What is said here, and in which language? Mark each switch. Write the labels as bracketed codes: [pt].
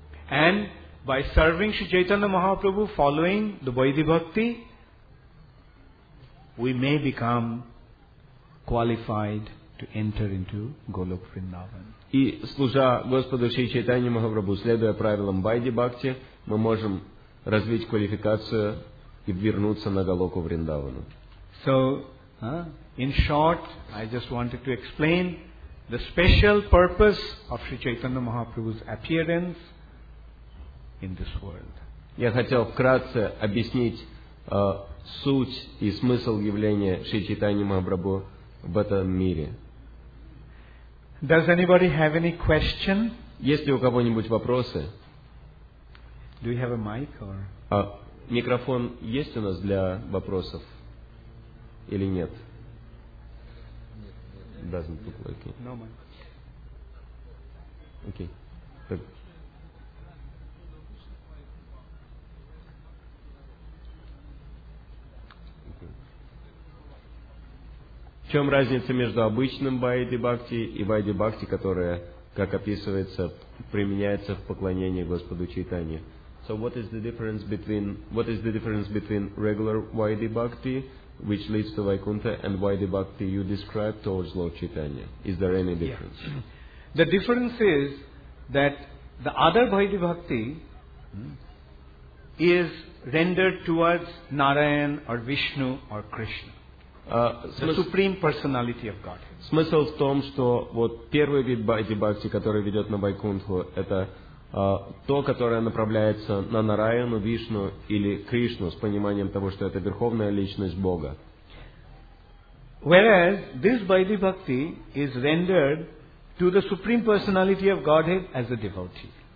[en] And by serving Sri Chaitanya Mahaprabhu, following the Vaidhi Bhakti, we may become qualified to enter into Golok Vrindavan. [ru] И служа Господу Шри Чайтанья Махапрабху, следуя правилам Вайди Бхакти, мы можем развить квалификацию и вернуться на Голоку Вриндавану. [en] So, in short, I just wanted to explain the special purpose of Sri Chaitanya Mahaprabhu's appearance in this world. [ru] Я хотел вкратце объяснить суть и смысл явления Шри Чайтанья Махапрабху в этом мире. [en] Does anybody have any question? [ru] Есть ли у кого-нибудь вопросы? [en] Do you have a mic or? [ru] Микрофон есть у нас для вопросов или нет? [en] Doesn't look like it. No mic. Okay. [ru] Так. В чем разница между обычным Вайди Бхакти и Вайди Бхакти, которая, как описывается, применяется в поклонении Господу Чайтани? [en] So what is the difference between regular Vaidhi Bhakti, which leads to Vaikuntha, and Vaidhi Bhakti you describe towards Lord Chaitanya? Is there any difference? Yeah. The difference is that the other Vaidhi Bhakti is rendered towards Narayan or Vishnu or Krishna. The supreme personality of Godhead. [ru] Смысл в том, что вот первый вид Vaidhi Bhakti, который ведет на Вайкунтху, это то, которое направляется на Нараяну, Вишну или Кришну, с пониманием того, что это верховная личность Бога. [en] Whereas this Vaidhi Bhakti is rendered to the supreme personality of Godhead as a devotee.